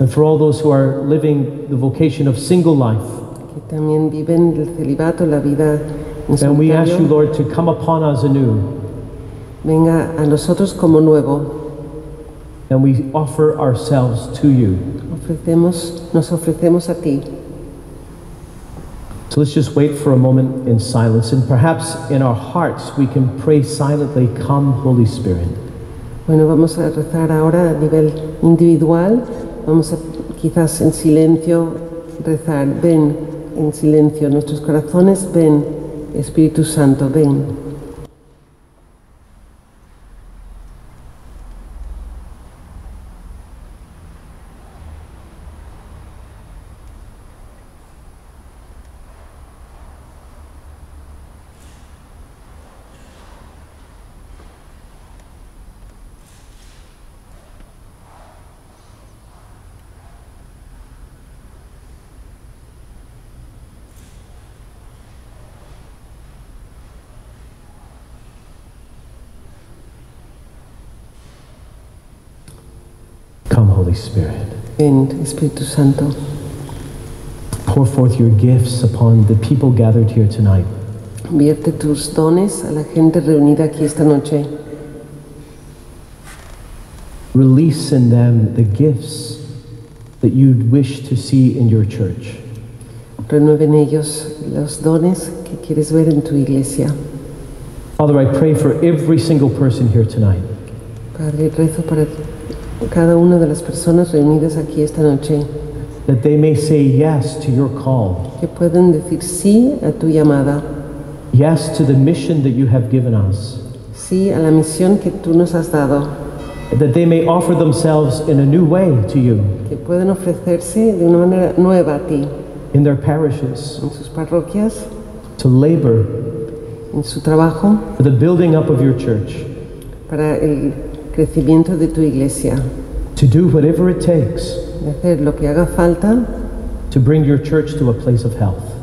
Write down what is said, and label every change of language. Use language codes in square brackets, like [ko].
[en] And for all those who are living the vocation of single life. [es] que también viven el celibato, la vida en solitario. [en] And we ask you, Lord, to come upon us anew. [es] Venga a nosotros como nuevo. [en] And we offer ourselves to you. [es] Nos ofrecemos a ti. [en] So let's just wait for a moment in silence, and perhaps in our hearts we can pray silently, "Come, Holy Spirit." [es] Bueno, vamos a rezar ahora a nivel individual. Vamos a quizás en silencio rezar, "Ven en silencio nuestros corazones, ven Espíritu Santo, ven." [en] Spirit. [es] Ven, Espíritu Santo. [en] Pour forth your gifts upon the people gathered here tonight. [es] Vierte tus dones a la gente reunida aquí esta noche. [en] Release in them the gifts that you'd wish to see in your church. [es] Renueven ellos los dones que quieres ver en tu iglesia. [en] Father, I pray for every single person here tonight. [es] Padre, rezo para ti. Cada una de las personas reunidas aquí esta noche, [en] that they may say yes to your call, [es] que pueden decir sí a tu llamada, [en] yes to the mission that you have given us, [es] sí a la misión que tú nos has dado, [en] that they may offer themselves in a new way to you, [es] que pueden ofrecerse de una manera nueva a ti, [en] in their parishes, [es] en sus parroquias, [en] to labor, [es] en su trabajo, [en] for the building up of your church, [es] para el crecimiento de tu iglesia. [en] To do whatever it takes. [es] De hacer lo que haga falta. [en] To bring your church to a place of health.